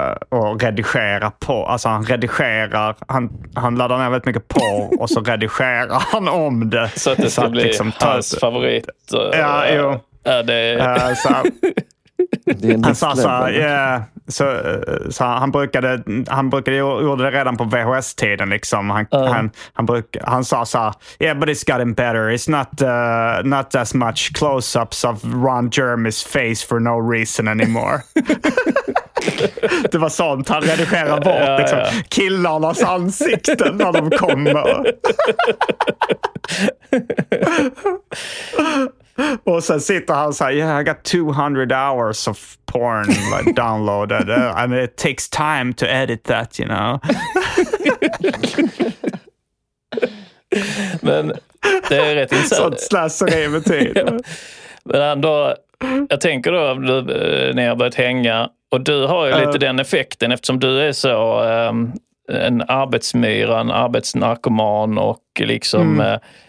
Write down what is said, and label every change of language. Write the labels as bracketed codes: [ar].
[sv] Och redigera på, alltså han redigerar, han laddar ner väldigt mycket på och så redigerar han om det så att det ska bli liksom hans favorit. Ja, jo. Det är en alltså, yeah. Så han brukade gjorde det redan på VHS-tiden liksom. Han sa så här, [en] yeah, but it's gotten better. It's not as much close-ups of Ron Jeremy's face for no reason anymore. [sv] Det var sånt han redigerade bort, ja, liksom. Ja. Killarnas ansikten när de kommer. Och sen sitter han så här, [en] yeah, I got 200 hours of porn like, downloaded. I mean, it takes time to edit that, you know. [sv] Men det är rätt intressant. Sånt slasseri med tid. Men ändå, jag tänker då, när jag har börjat hänga, och du har ju lite den effekten eftersom du är så en arbetsmyra, en arbetsnarkoman och liksom... Mm.